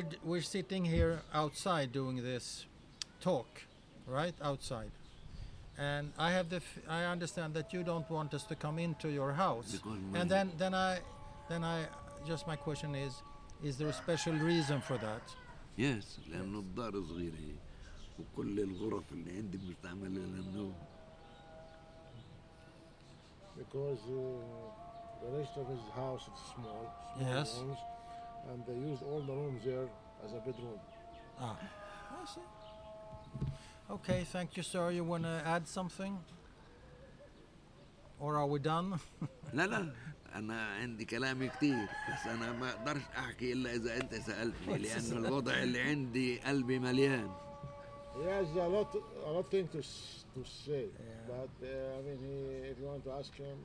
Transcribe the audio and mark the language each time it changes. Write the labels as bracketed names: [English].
[English] We're sitting here outside doing this talk, right outside. And I have the I understand that you don't want us to come into your house. And then I just my question is there a special reason for that? [Arabic] Yes, لأنه الدار صغيرة وكل الغرف اللي عندي مستعملة لأنه [English] Because the rest of his house is small, rooms, and they used all the rooms there as a bedroom. Ah, I see. Okay, thank you, sir. You want to add something? Or are we done? [Arabic] لا لا أنا عندي كلامي كتير بس أنا ما أقدرش أحكي إلا إذا أنت سألتني لأن الوضع اللي عندي قلبي مليان. [English] Yes, a lot of things to say. But I mean, if you want to ask him.